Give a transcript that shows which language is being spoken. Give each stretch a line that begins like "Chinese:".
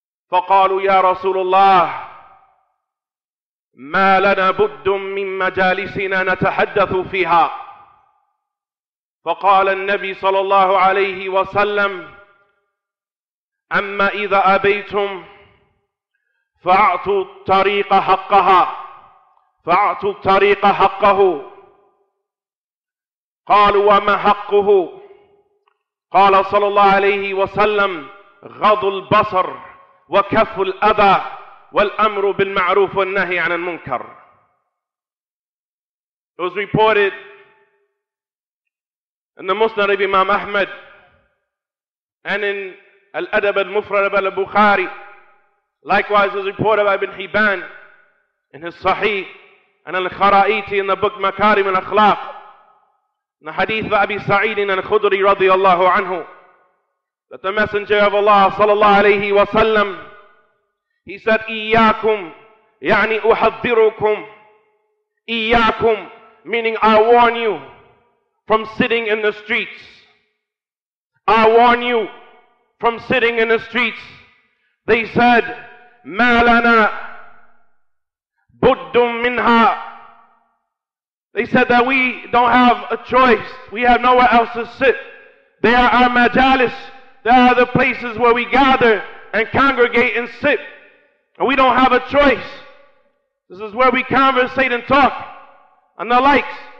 Arabic: فقالوا يا رسول الله ما لنا بد من مجالسنا نتحدث فيها فقال النبي صلى الله عليه وسلم أما إذا أبيتم فأعطوا الطريق حقها فأعطوا الطريق حقه قالوا وما حقه قال صلى الله عليه وسلم غض البصر وكف الأذى والأمر بالمعروف والنهي عن المنكر.
English: It was reported in the Musnad of Imam Ahmad and in Al-Adab al-Mufrad of al-Bukhari. Likewise, it was reported by Ibn Hibban in his Sahih and Al-Kharaiti in the book Makarim al-Akhlaq. In the hadith of Abi Sa'id al-Khudri radiallahu anhu, that the Messenger of Allah sallallahu alayhi wa sallam, he said,
Arabic: إياكم يعني أحذركم إياكم,
English: meaning I warn you from sitting in the streets. I warn you from sitting in the streets. They said,
Arabic: ما لنا بد منها.
English: They said that we don't have a choice. We have nowhere else to sit. They are our majalis. They are the places where we gather and congregate and sit. And we don't have a choice. This is where we conversate and talk. And the likes.